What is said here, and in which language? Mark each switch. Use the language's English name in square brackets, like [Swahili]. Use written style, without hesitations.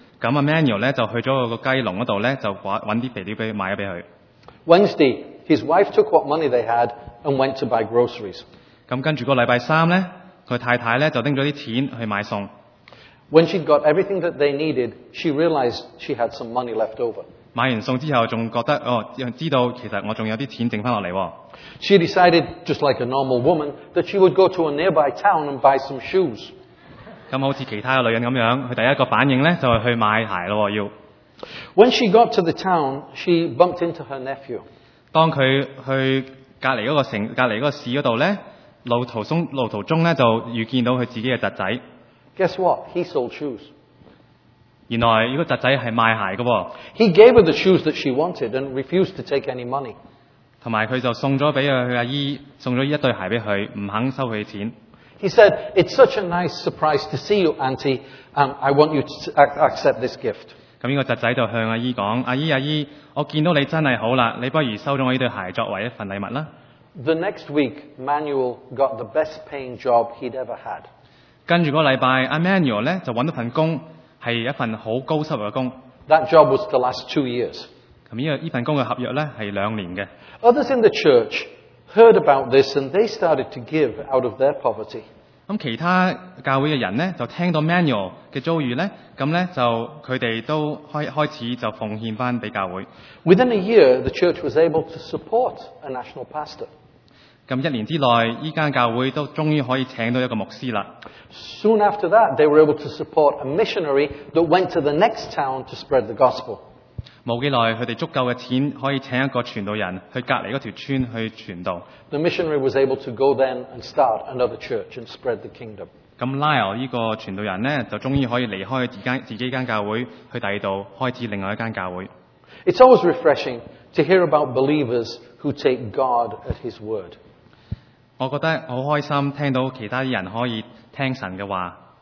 [Cantonese] 咁 Manuel 咧就去咗个鸡笼嗰度咧，就搵啲肥料俾买咗俾佢。 [English] Wednesday, his wife took what money they had. And went to buy groceries. [Cantonese] 咁跟住個禮拜三咧，佢太太咧就拎咗啲錢去買餸。 [English] When she'd got everything that they needed, she realized she had some money left over. [Cantonese] 買完餸之後，仲覺得哦，知道其實我仲有啲錢剩翻落嚟。 [English] She decided, just like a normal woman, that she would go to a nearby town and buy some shoes. [Cantonese] 咁好似其他嘅女人咁樣，佢第一個反應咧就係去買鞋咯，要。 [English] When she got to the town, she bumped into her nephew. [Cantonese] 當佢去隔篱嗰个市嗰度咧，路途中咧就遇见到佢自己嘅侄仔。 [English] Guess what? He sold shoes. [Cantonese] 原来呢个侄仔系卖鞋嘅。 [English] He gave her the shoes that she wanted and refused to take any money. [Cantonese] 同埋佢就送咗俾佢阿姨，送咗一对鞋俾佢，唔肯收佢钱。 [English] He said, "It's such a nice surprise to see you, Auntie. I want you to accept this gift." [Cantonese] 咁呢个侄仔就向阿姨讲：阿姨，我见到你真系好啦，你不如收咗我呢对鞋作为一份礼物啦。 [English] The next week, Manuel got the best-paying job he'd ever had. [Cantonese] 跟住个礼拜 ，Emmanuel 咧就揾到份工，系一份好高收入嘅工。 [English] That job was to last 2 years. [Cantonese] 咁呢份工嘅合约咧系两年嘅。 [English] Others in the church heard about this and they started to give out of their poverty. [Cantonese] 咁其他教会嘅人咧就听到 Manuel 嘅遭遇咧，咁咧就佢哋都开始就奉献翻俾教会。 [English] Within a year, the church was able to support a national pastor. [Cantonese] 咁一年之内，依间教会都终于可以请到一个牧师啦。 [English] Soon after that, they were able to support a missionary that went to the next town to spread the gospel. [Cantonese] 冇几耐，佢哋足够嘅钱可以请一个传道人去隔篱嗰条村去传道。 [English] The missionary was able to go then and start another church and spread the kingdom. [Cantonese] 咁 Lyle 呢个传道人咧，就终于可以离开自己间教会，去第二度开始另外一间教会。 [English] It's always refreshing to hear about believers who take God at His word. [Cantonese] 我觉得好开心听到其他人可以听神嘅话。